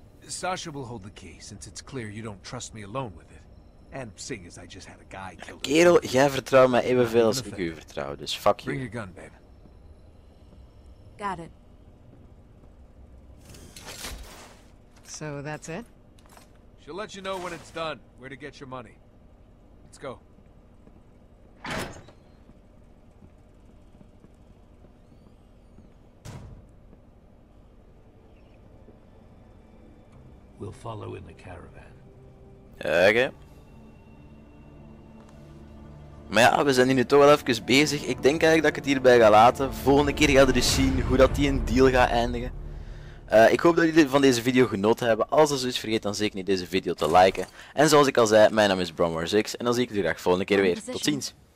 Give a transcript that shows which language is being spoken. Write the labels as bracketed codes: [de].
[en] Sasha will hold the key since it's clear you don't trust me alone with it. And seeing as I just had a guy killed. [nl] Kerel, jij vertrouwt mij evenveel als ik u vertrouw, dus fuck you. [en] Bring your gun, babe. Got it. So that's it. She'll let you know when it's done, where to get your money. Let's go. We'll follow in the caravan. Okay. [nl] Maar ja, we zijn hier nu toch wel even bezig. Ik denk eigenlijk dat ik het hierbij ga laten. Volgende keer gaan we dus zien hoe dat die een deal gaat eindigen. Ik hoop dat jullie van deze video genoten hebben. Als dat zo is, vergeet dan zeker niet deze video te liken. En zoals ik al zei, mijn naam is Bromwar6 en dan zie ik jullie graag volgende keer weer. Tot ziens!